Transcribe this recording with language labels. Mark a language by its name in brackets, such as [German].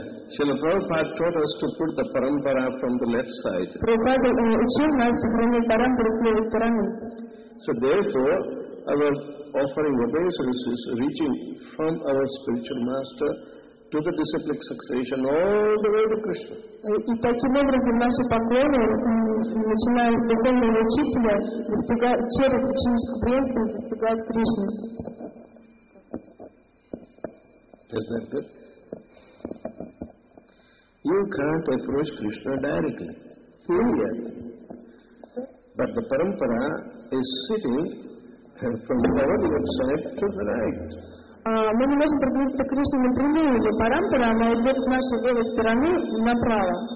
[English] Srila Prabhupada taught us to put the parampara from the left side. [Russian] Прабхупада учил нас сохранить парампару с левой стороны. [English] So therefore, our offering obeisances reaching from our spiritual master to the disciplic succession all the way to Krishna. [Russian] И таким образом наши поклоны начинают с духовного учителя достигать через ученическую преемство достигать Кришны. [English] Is that good? You can't approach Krishna directly. Here. But the parampara is sitting from the left side to the right. [Russian] Мы не можем приблизиться к Кришне напрямую, но парампара, она идет с нашей левой стороны направо.